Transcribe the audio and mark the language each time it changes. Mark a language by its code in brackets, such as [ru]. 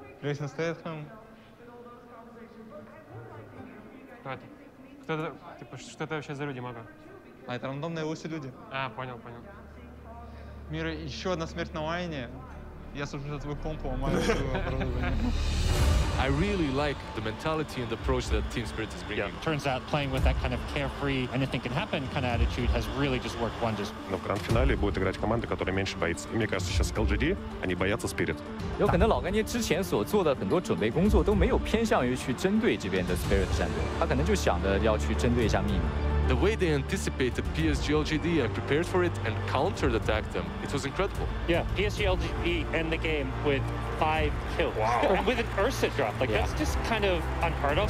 [ru] Джейсон Стэтхэм. Кто-то? Кто-то, типа, что это вообще за люди, Мага? А это рандомные лоси люди. А, понял, понял. Мира, еще одна смерть на Вайне. Я сужу за твой комп, ломаю твое оборудование. [en] I really like the mentality and the approach that Team Spirit is bringing. Yeah. Turns out playing with that kind of carefree, anything can happen kind of attitude has really just worked wonders. [ru] Но в гранд-финале будет играть команда, которая меньше боится. И мне кажется, сейчас LGD, они боятся Spirit. [zh] 有可能老干爹之前所做的很多准备工作都没有偏向于去针对这边的 Spirit 战队，他可能就想着要去针对一下秘密。 [en] The way they anticipated PSG LGD and prepared for it and counter-attacked them, it was incredible. Yeah, PSG LGD end the game with 5 kills. Wow. And with an Ursa drop, like, yeah. That's just kind of unheard of.